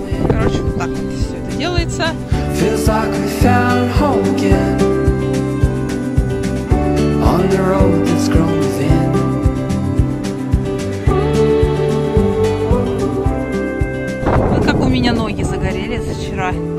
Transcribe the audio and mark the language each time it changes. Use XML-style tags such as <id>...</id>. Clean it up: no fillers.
<ru>Короче, вот так вот все это делается.</ru> <en>Feels like we found home again on the road that's grown within.</en> <ru>Вот как у меня ноги загорелись вчера.</ru>